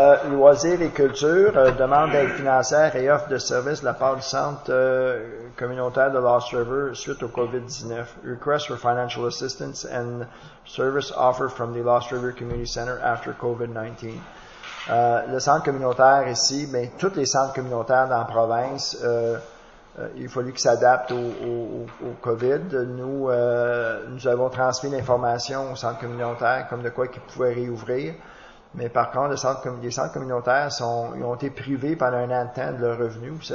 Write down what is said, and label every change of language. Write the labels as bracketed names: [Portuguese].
[French] Loisirs et culture, demande d'aide financière et offre de service de la part du centre communautaire de Lost River suite au COVID-19. [English] Request for financial assistance and service offer from the Lost River Community Center after COVID-19. [French] Le centre communautaire ici, mais tous les centres communautaires dans la province, il faut lui qu'ils s'adaptent au COVID. Nous avons transmis l'information au centre communautaire comme de quoi qu'ils pouvaient réouvrir. Mais par contre, les centres communautaires ont été privés pendant un an de temps de leurs revenus.